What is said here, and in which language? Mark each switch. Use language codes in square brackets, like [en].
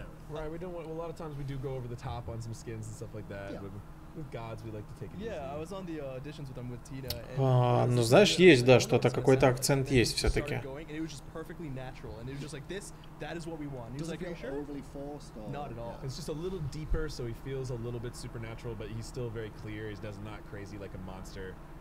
[en] Right, we don't. A lot of times we do go over the top on some skins and stuff like that. Yeah. With gods, we like to take it. Yeah, I was on the auditions with them with Tina. [ru] Ну знаешь, есть да что-то, какой-то акцент есть все-таки. [en] And it was just perfectly natural, and it was just like this. That is what we want. He was like, "Are you overly forced?" Not at all. It's just a little deeper, so he feels a little bit supernatural, but he's still very clear. He's not crazy like a monster.